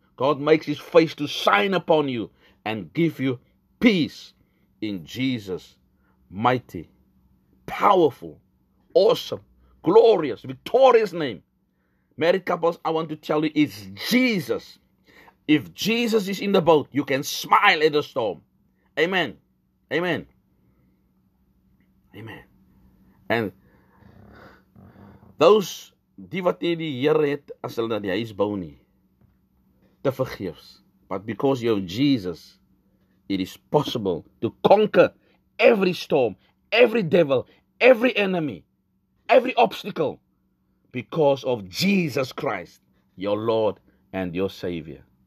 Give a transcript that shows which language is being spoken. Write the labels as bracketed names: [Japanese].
[English] God makes His face to shine upon you and give you peace in Jesus' mighty, powerful, awesome, glorious, victorious name. Married couples, I want to tell you, it's Jesus. If Jesus is in the boat, you can smile at the storm. Amen. Amen. Amen. And those, [Afrikaans] die wat nie die Here het, as hulle na die huis bou nie, te vergeefs. [English] But because you have Jesus, it is possible to conquer every storm, every devil, every enemy, every obstacle, because of Jesus Christ, your Lord and your Savior.